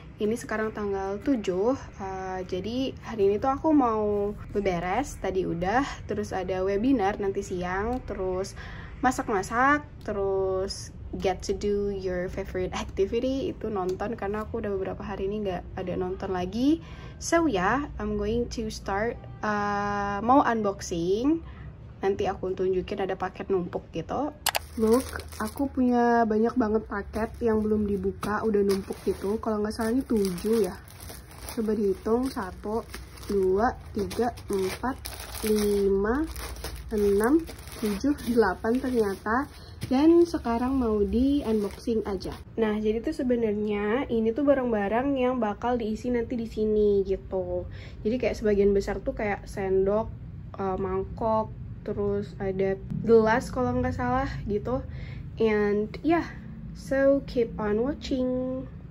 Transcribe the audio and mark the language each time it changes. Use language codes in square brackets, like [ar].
[id] Ini sekarang tanggal 7. Jadi hari ini tuh aku mau beberes, tadi udah, terus ada webinar nanti siang, terus masak-masak, terus [en] get to do your favorite activity, [id] itu nonton, karena aku udah beberapa hari ini gak ada nonton lagi. [en] So yeah, I'm going to start, [id] mau unboxing. Nanti aku tunjukin ada paket numpuk gitu. [en] Look, [id] aku punya banyak banget paket yang belum dibuka, udah numpuk gitu. Kalau nggak salah ini 7 ya. Coba dihitung, 1, 2, 3, 4, 5, 6, 7, 8 ternyata. Dan sekarang mau di unboxing aja. Nah, jadi tuh sebenarnya ini tuh barang-barang yang bakal diisi nanti di sini gitu. Jadi kayak sebagian besar tuh kayak sendok, mangkok, terus ada gelas kalau nggak salah gitu. [en] And yeah, so keep on watching.